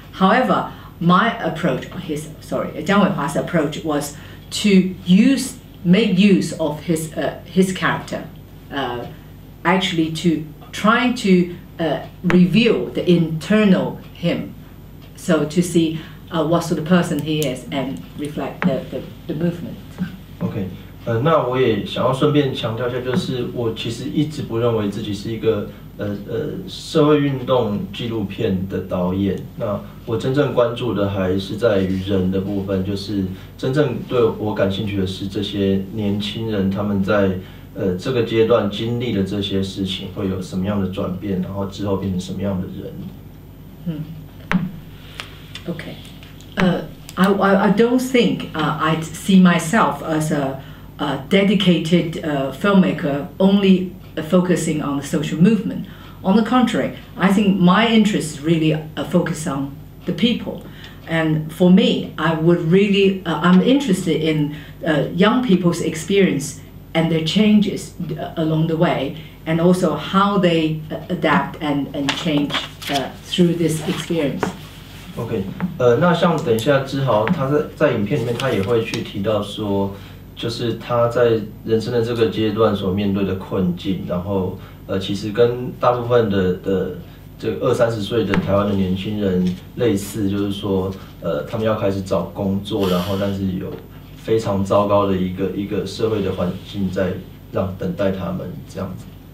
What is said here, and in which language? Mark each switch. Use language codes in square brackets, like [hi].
[en] However, my approach, Jiang Wei-hua's approach was to make use of his character, actually to try to reveal the internal him. So to see what sort of person he is and reflect the movement. Okay. [zh] 那我也想要顺便强调一下，就是我其实一直不认为自己是一个社会运动纪录片的导演。那我真正关注的还是在于人的部分，就是真正对我感兴趣的是这些年轻人他们在这个阶段经历的这些事情会有什么样的转变，然后之后变成什么样的人。嗯 [en] ，OK，I don't think I'd see myself as a dedicated filmmaker only focusing on the social movement. On the contrary, I think my interest is really focus on the people. And for me, I would really, I'm interested in young people's experience and their changes along the way, and also how they adapt and change through this experience. [zh] Okay, 那像等一下之豪他在影片里面他也会去提到说就是他在人生的这个阶段所面对的困境，然后其实跟大部分的这二三十岁的台湾的年轻人类似，就是说他们要开始找工作，然后但是有非常糟糕的一个社会的环境在让等待他们这样子。